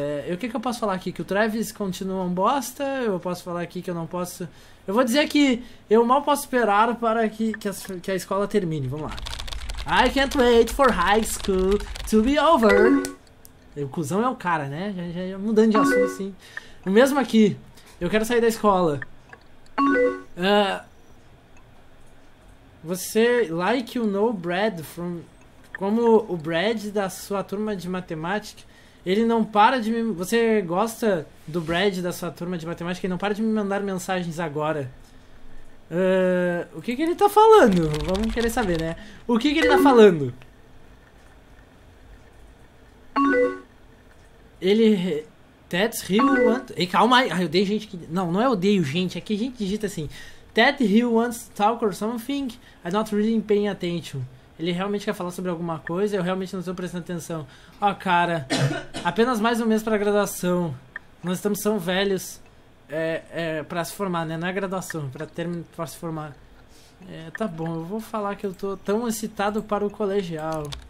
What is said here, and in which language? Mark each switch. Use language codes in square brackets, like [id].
[pt] O que eu posso falar aqui? Que o Travis continua um bosta? Eu posso falar aqui que eu não posso... Eu vou dizer que eu mal posso esperar para que a escola termine. Vamos lá. [en] I can't wait for high school to be over. [pt] O cuzão é o cara, né? Já mudando de assunto, assim. O mesmo aqui. Eu quero sair da escola. [en] Você, like you know Brad from... [pt] Como o Brad da sua turma de matemática, ele não para de me... Você gosta do Brad da sua turma de matemática? Ele não para de me mandar mensagens agora. O que ele tá falando? Vamos querer saber, né? O que ele tá falando? Ele... [en] That's real want... [pt] Ei, calma aí. Ah, eu odeio gente que... Não é odeio gente. É que a gente digita assim... [en] That he wants to talk or something, I'm not really paying attention. [pt] Ele realmente quer falar sobre alguma coisa, eu realmente não estou prestando atenção. Oh, cara, apenas mais um mês para graduação. Nós estamos tão velhos para se formar, né? Não é graduação, para terminar, para se formar. Tá bom, eu vou falar que eu estou tão excitado para o colegial.